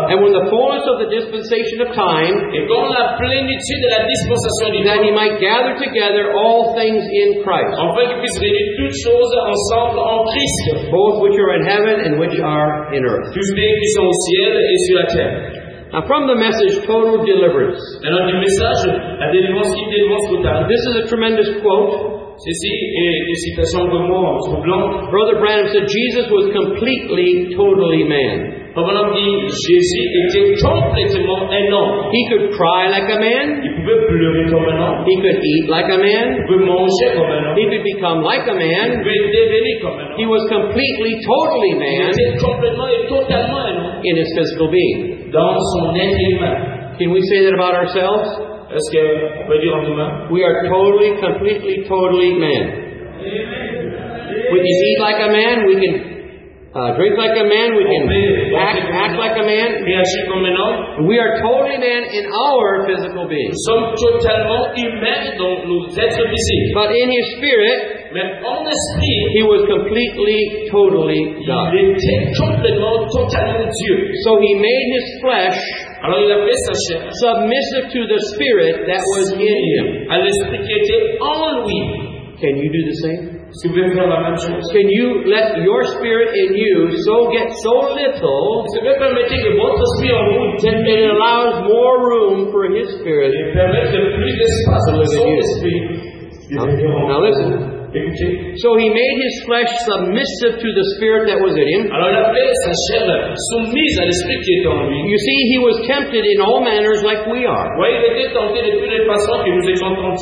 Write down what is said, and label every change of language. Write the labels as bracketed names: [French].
[English] And when the fullness of the dispensation of time, [French] et dans la plénitude de la dispensation du [English] temps, he might gather together all things in Christ. [French] En fait, qu'il puisse réunir toutes choses ensemble en Christ. [English] Both which are in heaven and which are in earth. [French] Tous les qui sont au ciel et sur la terre. [English] Now from the message, total deliverance. [French] Alors du message, la délivrance qui délivre totalement. [English] This is a tremendous quote. [French] Ceci est une citation de moi, troublante. [English] Brother Branham said Jesus was completely, totally man. [French] Jésus était complètement un homme. [English] He could cry like a man. [French] Il pouvait pleurer comme un homme. [English] He could eat like a man. [French] Il pouvait manger comme un homme. [English] He could become like a man. [French] Il pouvait devenir comme un homme. [English] He was completely, totally man. [French] Il était complètement et totalement un homme. [English] In his physical being. [French] Dans son être humain. [English] Can we say that about ourselves? [French] Est-ce qu'on peut dire en demain? [English] We are totally, completely, totally man. Amen. We can eat like a man, we can drink like a man, we can act like a man. We are totally man in our physical being. [French] Nous sommes totalement humains dans nos êtres physiques. [English] But in his spirit, he was completely, totally God. [French] Il était complètement, totalement Dieu. [English] So he made his flesh [French] alors il a fait sa chair [English] submissive to the spirit that was in him. [French] À l'esprit qui était en lui. [English] Can you do the same? [French] Est-ce que vous pouvez faire la même chose? [English] Can you let your spirit in you so get so little? [French] Est-ce que vous pouvez permettre que votre esprit en vous [English] tienne? It allows more room for his spirit. [French] Il permet de plus d'espace pour son esprit. [English] Now listen. So he made his flesh submissive to the spirit that was in him. [French] Alors, la paix, sa chair, soumise à l'esprit qui est en lui. [English] You see, he was tempted in all manners like we are. [French] Oui, il était tenté de toutes les façons que nous étions tentés.